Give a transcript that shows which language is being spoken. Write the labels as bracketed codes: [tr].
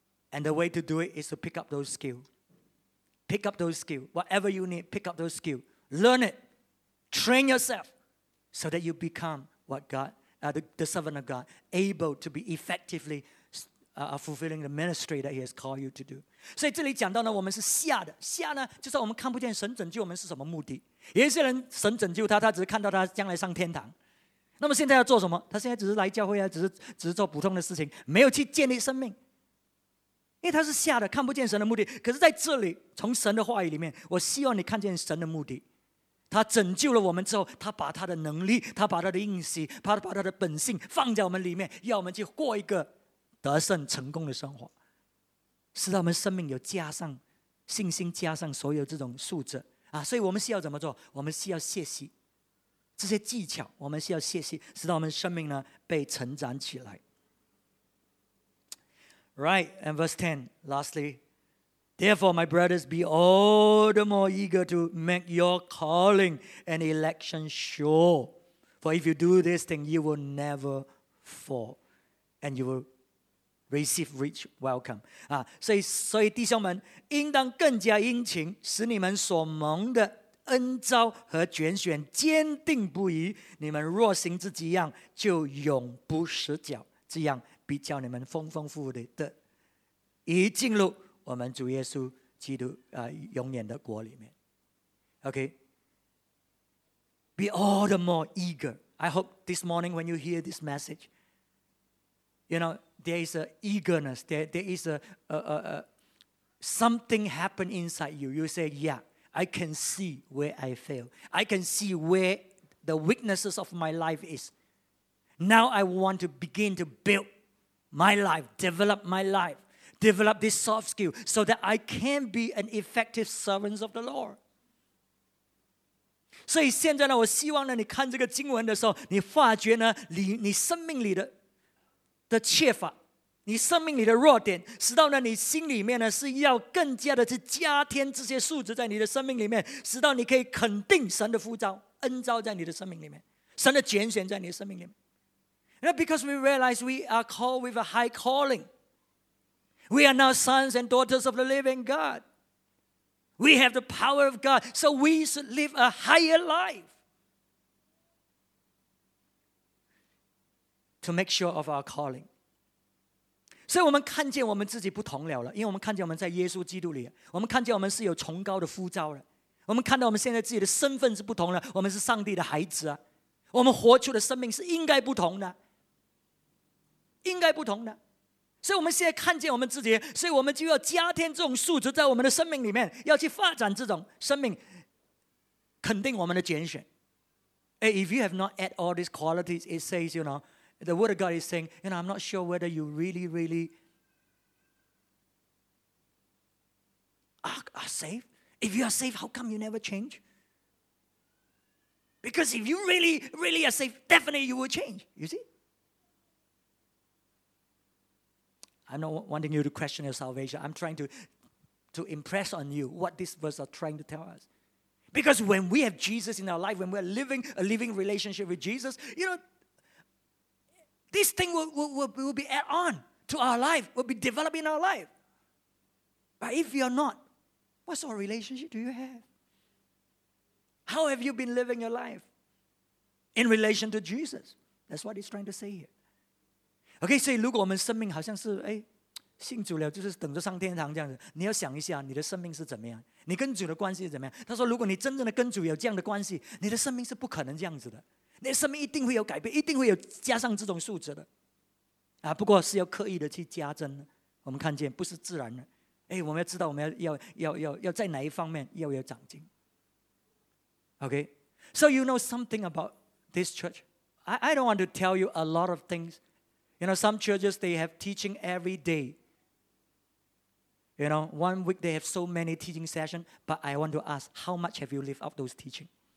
[en] And the way to do it is to pick up those skills. Pick up those skills. Whatever you need, pick up those skills. Learn it. Train yourself so that you become what God, the servant of God, able to be effectively fulfilling the ministry that he has called you to do. [zh] 所以这里讲到呢，我们是瞎的。瞎呢，就是我们看不见神拯救我们是什么目的。有些人神拯救他，他只是看到他将来上天堂。那么现在要做什么？他现在只是来教会啊，只是做普通的事情，没有去建立生命。因为他是瞎的，看不见神的目的。可是在这里，从神的话语里面，我希望你看见神的目的。他拯救了我们之后，他把他的能力，他把他的应许，他把他的本性放在我们里面，要我们去过一个得胜成功的生活，使他们生命有加上信心，加上所有这种素质啊，所以我们需要怎么做？我们需要学习这些技巧，我们需要学习，使他们生命呢被成长起来。 [en] Right, and verse 10, lastly, therefore, my brothers, be all the more eager to make your calling and election sure. For if you do this thing, you will never fall, and you will. Receive rich welcome. [zh] 所以弟兄们应当更加殷勤，使你们所蒙的恩召和拣选坚定不移。你们若行这几样，就永不失脚。这样必叫你们丰丰富富的一进入我们主耶稣基督永远的国里面。 [en] OK, be all the more eager. I hope this morning when you hear this message, you knowThere is an eagerness. There is something happen inside you. You say, yeah, I can see where I fail. I can see where the weaknesses of my life is. Now I want to begin to build my life, develop my life, develop this soft skill so that I can be an effective servant of the Lord. [zh] 所以现在呢，我希望呢，你看这个经文的时候，你发觉呢，你生命里的缺乏，你生命里的弱点，使到呢你心里面呢是要更加的去加添这些素质在你的生命里面，使到你可以肯定神的呼召恩召在你的生命里面，神的拣选在你的生命里面。 [en] Now, because we realize we are called with a high calling, we are now sons and daughters of the living God, we have the power of God, so we should live a higher lifeTo make sure of our calling. [zh] 所以我们看见我们自己不同了，因为我们看见我们在耶稣基督里，我们看见我们是有崇高的呼召了，我们看到我们现在自己的身份是不同了，我们是上帝的孩子，我们活出的生命是应该不同的，应该不同的。所以我们现在看见我们自己，所以我们就要加添这种素质在我们的生命里面，要去发展这种生命，肯定我们的拣选。 [en] If you have not had all these qualities, it says, you knowThe word of God is saying, you know, I'm not sure whether you really, really are saved. If you are saved, how come you never change? Because if you really, really are saved, definitely you will change. You see? I'm not wanting you to question your salvation. I'm trying to impress on you what this verse is trying to tell us. Because when we have Jesus in our life, when we're living a living relationship with Jesus, you know, this thing will be add on to our life, will be developing our life. But if you're not, what sort of relationship do you have? How have you been living your life in relation to Jesus? That's what he's trying to say here. [zh] Okay, 所以如果我们生命好像是信主了就是等着上天堂这样子，你要想一下你的生命是怎么样，你跟主的关系是怎么样。他说如果你真正的跟主有这样的关系，你的生命是不可能这样子的，你的生命一定会有改变，一定会有加上这种数值的，不过是要刻意的去加增。我们看见不是自然的，我们要知道我们要在哪一方面要有长进。 [en] Okay, so you know something about this church. I don't want to tell you a lot of things. You know, some churches, they have teaching every day. You know, 1 week they have so many teaching sessions, but I want to ask, how much have you lived up those teaching?